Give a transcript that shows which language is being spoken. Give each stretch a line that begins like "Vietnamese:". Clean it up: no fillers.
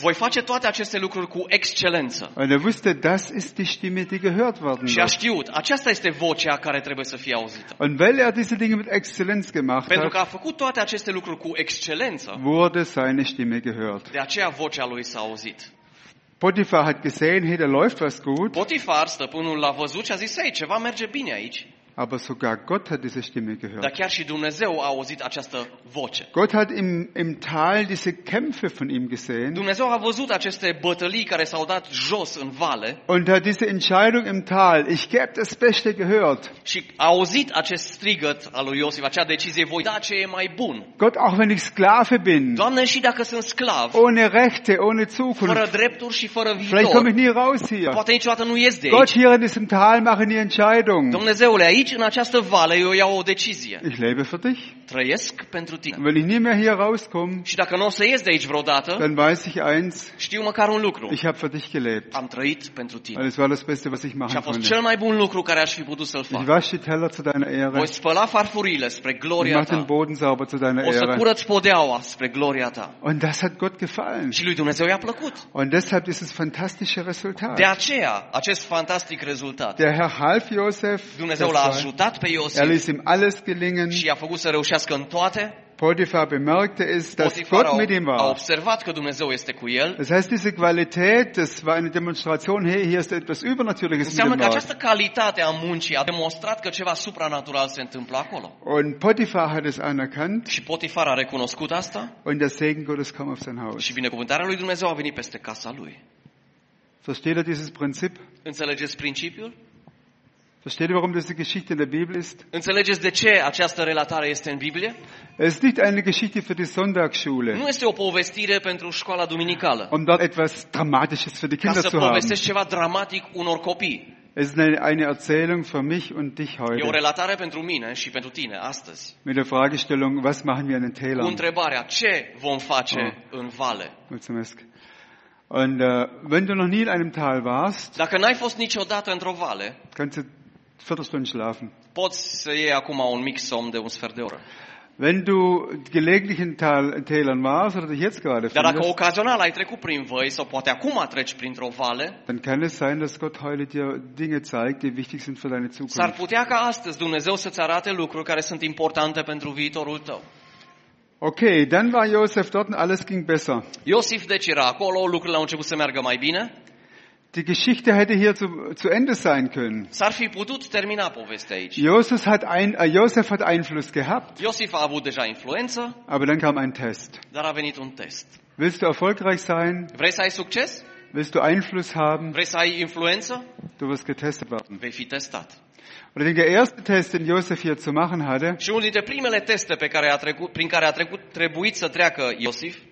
Romanian: Voi face toate aceste lucruri cu excelență.
German: Und er wusste, das ist die Stimme, die gehört worden ist.
Romanian: Și a știut, aceasta este vocea care trebuie să fie auzită.
German: Und weil er diese Dinge mit Exzellenz gemacht hat.
Romanian: Pentru că a făcut toate aceste lucruri cu excelență.
German: Wurde seine Stimme gehört.
Romanian: De aceea vocea lui s-a auzit.
German: Potifar hat gesehen, hey, da läuft was gut.
Romanian: Potifar, stăpânul, l-a văzut și a zis, hey, ceva merge bine aici.
German: Aber sogar Gott hat diese Stimme gehört.
Romanian: Dar chiar și Dumnezeu a auzit această voce.
German: Gott hat im Tal diese Kämpfe von ihm gesehen.
Romanian: Dumnezeu a văzut aceste bătălii care s-au dat jos în vale.
German: Und hat diese Entscheidung im Tal, ich gebe das Beste gehört.
Romanian: Și a auzit acest strigăt al lui Iosif, acea decizie, voi da ce e mai bun.
German: Gott, auch wenn ich Sklave bin.
Romanian: Doamne, și dacă sunt sclav.
German: Ohne Rechte, ohne Zukunft.
Romanian: Fără drepturi și fără viitor.
German: Vielleicht komme ich nie raus hier.
Romanian: Poate niciodată nu ies de aici.
German: Gott, hier in diesem Tal mache die Entscheidung.
Romanian: Dumnezeule, aici în această vale eu iau o decizie.
German: Ich lebe für dich.
Romanian: Trăiesc pentru tine.
German: Wenn ich nie mehr hier rauskomme.
Romanian: Și dacă nu o să ies de aici vreodată.
German: Dann weiß ich eins.
Romanian: Știu măcar un lucru.
German: Ich habe für dich gelebt.
Romanian: Am trăit pentru tine.
German: Alles war das Beste, was ich machen konnte.
Romanian: Și a fost cel mai bun lucru care aș fi putut să-l fac.
German: Ich wasche die Teller zu deiner Ehre.
Romanian: Voi spăla farfuriile spre gloria ta.
German: Mach den Boden sauber zu deiner Ehre.
Romanian: O să curăț podeaua spre gloria ta.
German: Und das hat Gott gefallen.
Romanian: Și lui Dumnezeu i-a plăcut.
German: Und deshalb ist es fantastische Resultat.
Romanian: De aceea acest fantastic rezultat.
German: Der Herr half Josef.
Romanian: Dumnezeu l-a ajutat pe Iosif.
German: Er ließ ihm alles gelingen.
Romanian: Și a făcut să reușească în toate.
German: Potifar bemerkte es, dass Gott mit ihm war.
Romanian: A observat că Dumnezeu este cu el.
German: Das heißt, diese Qualität, das war eine Demonstration, hey, hier ist etwas Übernatürliches mit ihm.
Romanian: Înseamnă că această calitate a muncii a demonstrat că ceva supranatural se întâmplă acolo.
German: Und Potifar hat es anerkannt.
Romanian: Și Potifar a recunoscut asta.
German: Und der Segen Gottes kam auf sein Haus.
Romanian: Și binecuvântarea lui Dumnezeu a venit peste casa lui.
German: Versteht ihr dieses Prinzip?
Romanian: Înțelegeți principiul?
German: Versteht ihr, warum diese Geschichte in der Bibel ist?
Romanian: Înțelegeți de ce această relatare este în Biblie?
German: Es ist nicht eine Geschichte für die Sonntagsschule.
Romanian: Nu este o povestire pentru școala duminicală.
German: Um dort etwas Dramatisches für die Kinder zu haben.
Romanian: Ca să povestești ceva dramatic unor copii.
German: Es ist eine Erzählung für mich und dich heute.
Romanian: E o relatare pentru mine și pentru tine astăzi.
German: Mit der Fragestellung, was machen wir in den Tälern?
Romanian: Întrebarea, ce vom face în vale? Mulțumesc.
German: Und wenn du noch nie in einem Tal warst,
Romanian: dacă n-ai fost niciodată într-o vale,
German: kannst du 4 Stunden schlafen.
Romanian: Poți să iei acum un mic somn de un sfert de oră.
German: Wenn du gelegentlich in Tälern warst oder dich jetzt gerade findest,
Romanian: dacă ocazional ai trecut prin văi sau poate acum treci printr-o vale,
German: dann kann es sein, dass Gott heute dir Dinge zeigt, die wichtig sind für deine Zukunft.
Romanian: S-ar putea ca astăzi Dumnezeu să-ți arate lucruri care sunt importante pentru viitorul tău.
German: Okay, dann war Josef dort und alles ging besser.
Romanian: Iosif deci era acolo, lucrurile au început să meargă mai bine.
German: Die Geschichte hätte hier zu Ende sein können.
Romanian: S-ar fi putut termina povestea aici.
German: Josef hat Einfluss gehabt.
Romanian: Iosif a avut deja influență.
German: Aber dann kam ein Test.
Romanian: Dar a venit un test.
German: Willst du erfolgreich sein?
Romanian: Vrei să ai succes?
German: Willst du Einfluss haben?
Romanian: Vrei să ai influență?
German: Du wirst getestet werden.
Romanian: Vei fi testat.
German: Und der erste Test, den Josef hier zu machen hatte.
Romanian: Și unul dintre primele teste pe care a trecut, prin care a trecut, trebuit să treacă Iosif.